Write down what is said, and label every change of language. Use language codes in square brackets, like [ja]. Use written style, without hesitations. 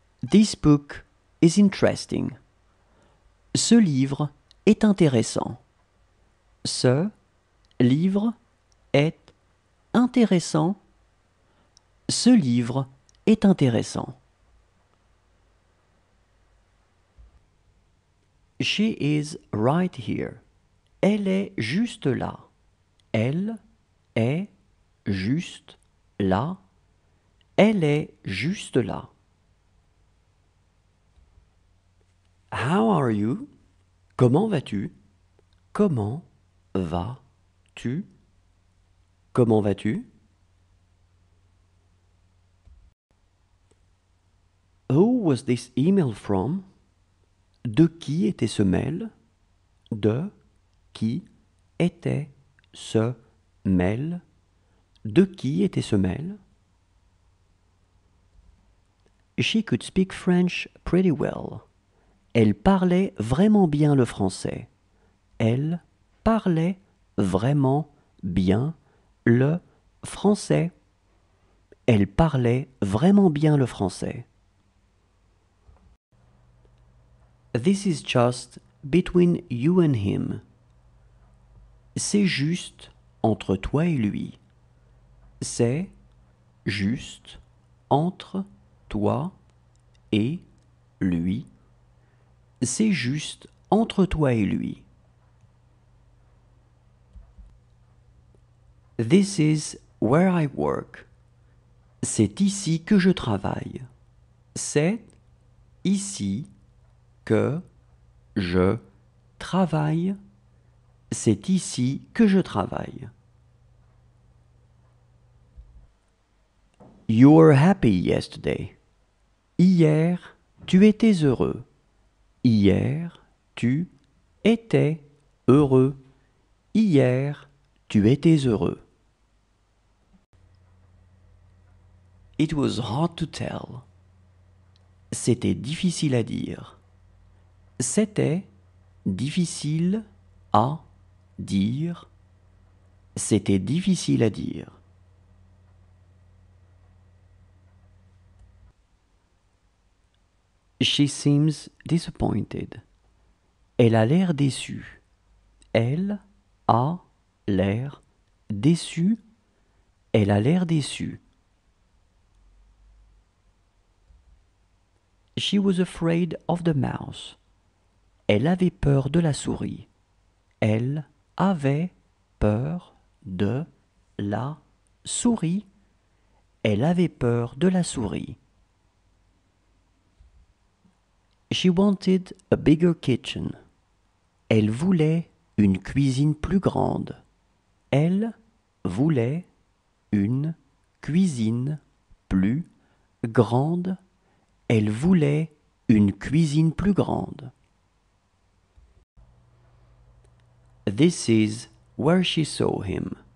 [en] This book is interesting. [fr] Ce livre est intéressant. Ce livre est intéressant. Ce livre est intéressant. [en] She is right here. [fr] Elle est juste là. Elle est juste là. Elle est juste là. [en] How are you? [fr] Comment vas-tu? Comment vas-tu? Comment vas-tu? [en] was this email from? [fr] De qui était ce mail? De qui était ce mail? De qui était ce mail? [en] She could speak French pretty well. [fr] Elle parlait vraiment bien le français. Elle parlait vraiment bien le français. Elle parlait vraiment bien le français. [en] This is just between you and him. [fr] C'est juste entre toi et lui. C'est juste entre toi et lui. C'est juste entre toi et lui. [en] This is where I work. [fr] C'est ici que je travaille. C'est ici que je travaille. C'est ici que je travaille. [en] You were happy yesterday. [fr] Hier, tu étais heureux. Hier, tu étais heureux. Hier, tu étais heureux. [en] It was hard to tell. [fr] C'était difficile à dire. C'était difficile à dire. C'était difficile à dire. [en] She seems disappointed. [fr] Elle a l'air déçue. Elle a l'air déçue. Elle a l'air déçue. [en] She was afraid of the mouse. [fr] Elle avait peur de la souris. Elle avait peur de la souris. Elle avait peur de la souris. [en] She wanted a bigger kitchen. [fr] Elle voulait une cuisine plus grande. Elle voulait une cuisine plus grande. Elle voulait une cuisine plus grande. [en] This is where she saw him.